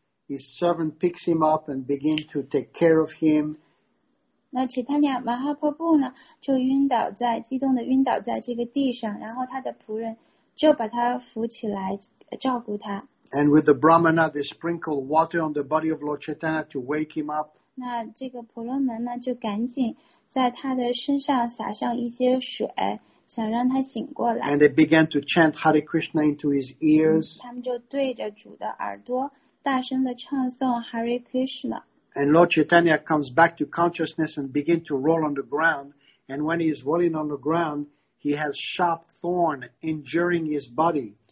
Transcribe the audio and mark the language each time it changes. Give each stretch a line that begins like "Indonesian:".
English: His servant picks him up and begins to take care of him.
Chinese: 那 Chaitanya Mahaprabhu 呢，就晕倒在，激动地晕倒在这个地上，然后他的仆人就把他扶起来，照顾他。
English: And with the Brahmana, they sprinkle water on the body of Lord Chaitanya to wake him up.
Chinese: 那这个婆罗门呢，就赶紧在他的身上撒上一些水，想让他醒过来。
English: And they began to chant Hare Krishna into his ears.
Chinese: 他们就对着主的耳朵大声地唱诵 Hare Krishna.
English: And Lord Chaitanya comes back to consciousness and begin to roll on the ground. And when he is rolling on the ground, he has sharp thorn injuring his body.